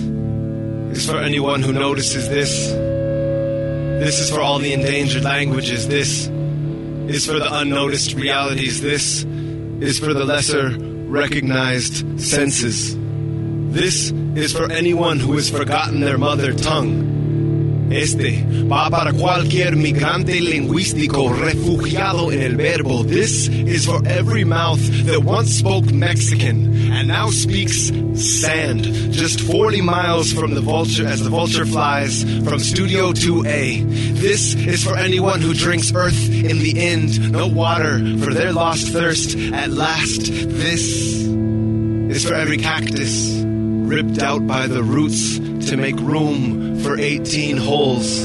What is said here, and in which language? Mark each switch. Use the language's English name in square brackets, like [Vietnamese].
[English] This is for anyone who notices this. This is for all the endangered languages. This is for the unnoticed realities. This is for the lesser recognized senses. This is for anyone who has forgotten their mother tongue. [Spanish] Este va para cualquier migrante lingüístico refugiado en el verbo. [English] This is for every mouth that once spoke Mexican and now speaks sand. Just 40 miles from the vulture as the vulture flies from Studio 2A. This is for anyone who drinks earth in the end. No water for their lost thirst at last. This is for every cactus ripped out by the roots to make room for 18 holes.